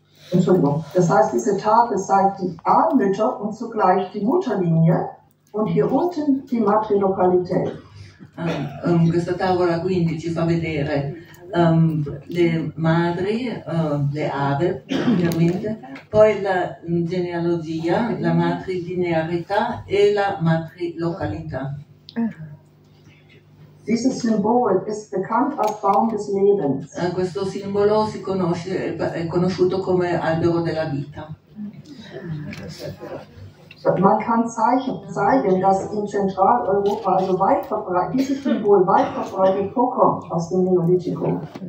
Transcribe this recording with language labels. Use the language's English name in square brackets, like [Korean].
[German] Das heißt, diese Tafel zeigt die Ahnmütter und zugleich die Mutterlinie und hier unten die matrilocalità. [Italian] Questa tavola quindi ci fa vedere le madri, le ave, ovviamente, poi la genealogia, la matrilinearità e la matrilocalità. [German] Dieses Symbol ist bekannt als Baum des Lebens. [Italian] Questo simbolo si conosce, è conosciuto come albero della vita. [German] Man kann zeigen, dass in Zentraleuropa also weit verbreitet, dieses Symbol weit verbreitet vorkommt aus dem Neolithikum.